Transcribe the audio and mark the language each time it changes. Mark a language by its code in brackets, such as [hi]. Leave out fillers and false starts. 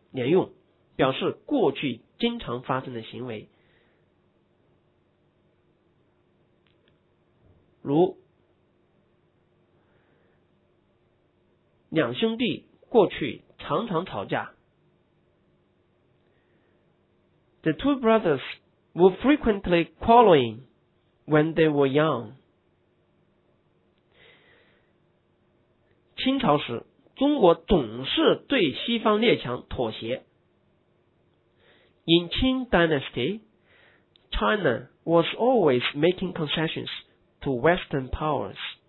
[zh] 连用，表示过去经常发生的行为。如两兄弟过去常常吵架。 [en] The two brothers were frequently quarreling when they were young. [zh] 清朝时，中国总是对西方列强妥协。 [en] In Qing Dynasty, China was always making concessions to Western powers.